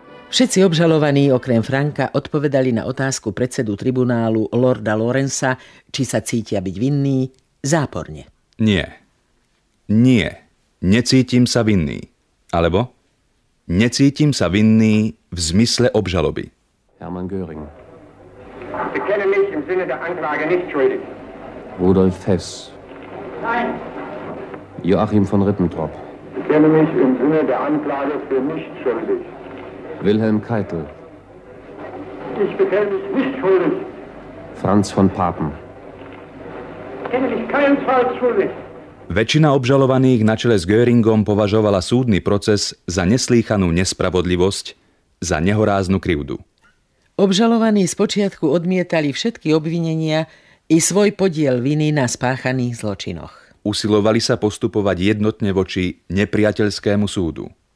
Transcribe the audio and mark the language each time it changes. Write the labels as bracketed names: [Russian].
[Slovak] Všetci obžalovaní okrem Franka odpovedali na otázku predsedu tribunálu Lorda Lorenza, či sa cítia byť vinný, záporne. Nie. Nie. Necítim sa vinný. Alebo? Necítim sa vinný v zmysle obžaloby. Hermann Göring. [German] Bekenne mich im Sinne der Anklage nicht schuldig. [Slovak] Rudolf Hess. [German] Nein. [Slovak] Joachim von Ribbentrop. [German] Bekenne mich im Sinne der Anklage für nicht schuldig. [Slovak] Wilhelm Keitel. [German] Ich bekenne mich nicht schuldig. [Slovak] Franz von Papen. [German] Bekenne mich keinesfalls schuldig. [Slovak] Väčšina obžalovaných na čele s Göringom považovala súdny proces za neslýchanú nespravodlivosť, za nehoráznu krivdu. Obžalovaní spočiatku odmietali všetky obvinenia i svoj podiel viny na spáchaných zločinoch. Usilovali sa postupovať jednotne voči nepriateľskému súdu.